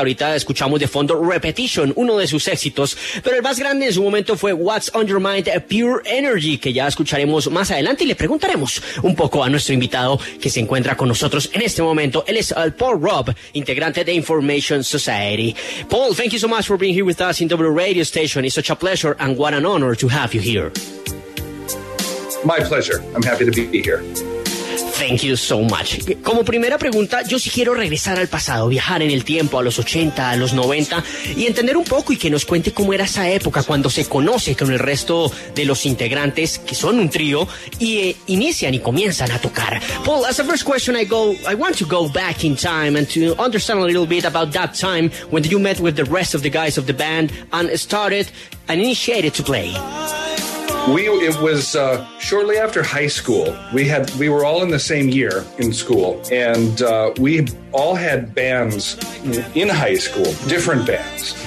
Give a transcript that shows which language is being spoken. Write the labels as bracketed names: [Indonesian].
[Spanish] Ahorita escuchamos de fondo Repetition, uno de sus éxitos, pero el más grande en su momento fue What's on Your Mind, Pure Energy, que ya escucharemos más adelante, y le preguntaremos un poco a nuestro invitado que se encuentra con nosotros en este momento. Él es Paul Robb, integrante de Information Society. [English] Paul, thank you so much for being here with us in W Radio Station. It's such a pleasure and what an honor to have you here. My pleasure. I'm happy to be here. Thank you so much. [Spanish] Como primera pregunta, yo sí quiero regresar al pasado, viajar en el tiempo, a los 80, a los 90, y entender un poco y que nos cuente cómo era esa época cuando se conoce con el resto de los integrantes, que son un trío, y inician y comienzan a tocar. [English] Paul, as a first question, I want to go back in time and to understand a little bit about that time when you met with the rest of the guys of the band and started and initiated to play. It was shortly after high school. We were all in the same year in school, and we all had bands in high school, different bands.